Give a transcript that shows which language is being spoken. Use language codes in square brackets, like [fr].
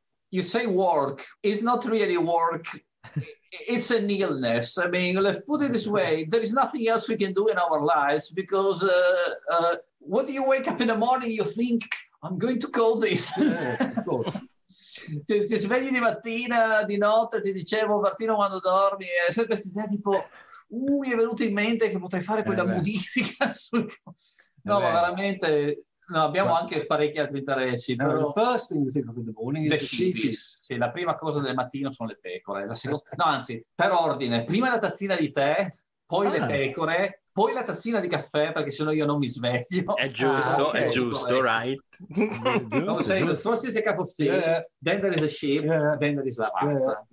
[en] You say work, it's not really work, it's an illness. I mean, let's put it this way, there is nothing else we can do in our lives because what do you wake up in the morning, you think, I'm going to call this. [it] Yeah, ti svegli di mattina, di notte, ti dicevo, perfino quando dormi, è sempre questa idea tipo, mi è venuto in mente che potrei fare quella modifica sul... No, ma veramente, no, abbiamo anche parecchi altri interessi. No? [en] The first thing you think of in the morning is the sheepies. [it] Sì, la prima cosa del mattino sono le pecore. La seconda... No, anzi, per ordine, prima la tazzina di tè, poi le pecore, poi la tazzina di caffè, perché sennò io non mi sveglio. È giusto, è giusto, right? [en] The first thing is a cup of tea, then there is a sheep, then there is [it] la razza.